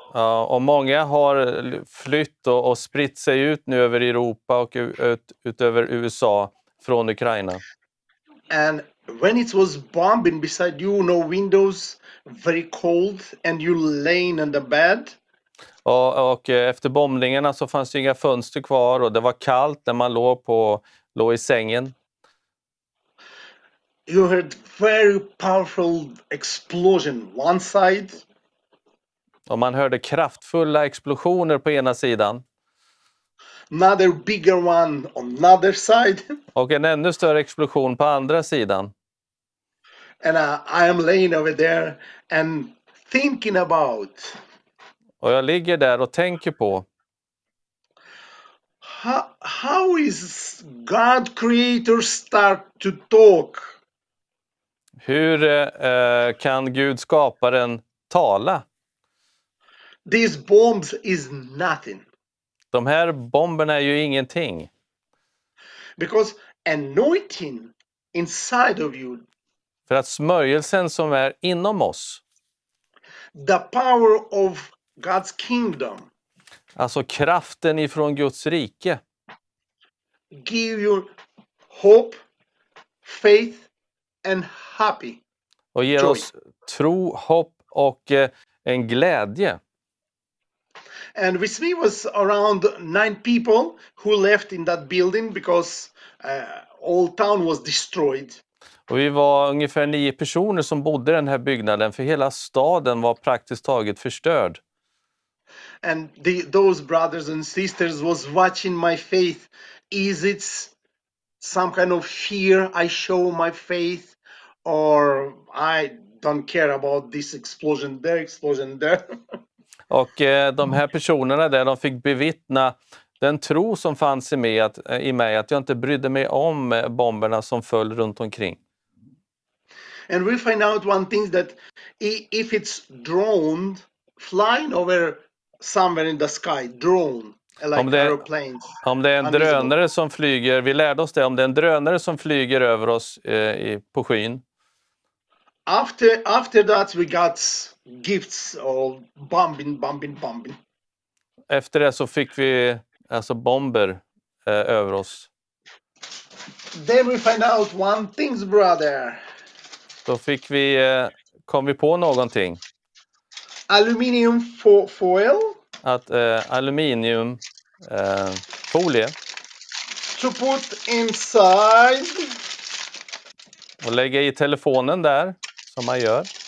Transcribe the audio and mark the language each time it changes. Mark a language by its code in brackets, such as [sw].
[sv] Ja, och många har flytt och spritt sig ut nu över Europa och utöver USA från Ukraina. [en] And when it was bombing beside you, no windows, very cold, and you laying on the bed. [sv] Och efter bombningarna så fanns det inga fönster kvar och det var kallt när man låg i sängen. [en] You heard very powerful explosion one side. [sv] Och man hörde kraftfulla explosioner på ena sidan. [en] Another bigger one on another side. [sv] Och en ännu större explosion på andra sidan. [en] And I am laying over there and thinking about. [sv] Och jag ligger där och tänker på. [en] How is God creator start to talk? [sv] Hur kan Gud skaparen tala? [en] These bombs is nothing. [sv] De här bomberna är ju ingenting. [en] Because anointing inside of you. [sv] För att smörjelsen som är inom oss. [en] The power of God's kingdom. [sv] Alltså kraften ifrån Guds rike. [en] Give you hope, faith and happy. [sv] Och ger oss tro, hopp och en glädje. [en] And with me was around 9 people who left in that building because all town was destroyed. [sv] Och vi var ungefär 9 personer som bodde i den här byggnaden för hela staden var praktiskt taget förstörd. [en] And those brothers and sisters was watching my faith. Is it some kind of fear I show my faith, or I don't care about this explosion, their explosion, there? [sv] Och de här personerna där, de fick bevittna den tro som fanns i mig, att jag inte brydde mig om bomberna som föll runt omkring. [en] And we find out one thing, that if it's drone flying over somewhere in the sky, drone, like aeroplanes. [sv] Om det är en drönare som flyger, vi lärde oss det, om det är en drönare som flyger över oss på skyn. [en] After that we got gifts of bombing. [sv] Efter det så fick vi alltså bomber över oss. [en] Then we find out one thing, brother. [sv] Då fick vi kom vi på någonting. [en] Aluminium foil. [sv] Att aluminium folie. [en] To put inside. [sv] Och lägga i telefonen där, som man gör.